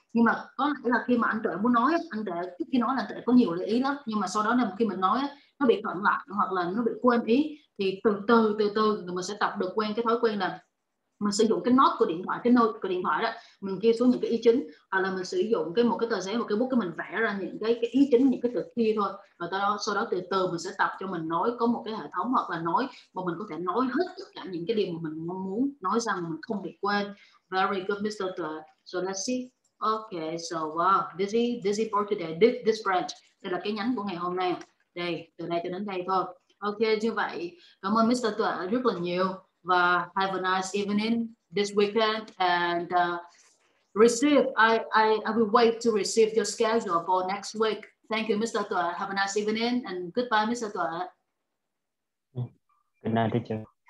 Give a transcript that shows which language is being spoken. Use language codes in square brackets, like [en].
[vi] Nhưng mà có lẽ là khi mà anh Tuệ muốn nói, anh Tuệ trước khi nói là anh Tuệ có nhiều lý ý lắm, nhưng mà sau đó khi mình nói nó bị cận lại hoặc là nó bị quên ý, thì từ từ mình sẽ tập được quen cái thói quen là mình sử dụng cái note của điện thoại, cái note của điện thoại đó, mình ghi xuống những cái ý chính, hoặc là mình sử dụng cái một cái tờ giấy, một cái bút, cái mình vẽ ra những cái ý chính, những cái từ kia thôi. Và sau đó từ từ mình sẽ tập cho mình nói có một cái hệ thống, hoặc là nói mà mình có thể nói hết tất cả những cái điều mà mình mong muốn nói rằng mình không bị quên. [en] Very good Mr. Tuệ. So let's see. Okay, so wow, this is for today, this branch. [vi] Đây là cái nhánh của ngày hôm nay. Đây, từ đây cho đến đây thôi. Okay, như vậy, cảm ơn Mr. Tuệ rất là nhiều. [en] Và have a nice evening this weekend, and receive, I will wait to receive your schedule for next week. Thank you, Mr. Tuệ. Have a nice evening, and goodbye, Mr. Tuệ. Good night, teacher.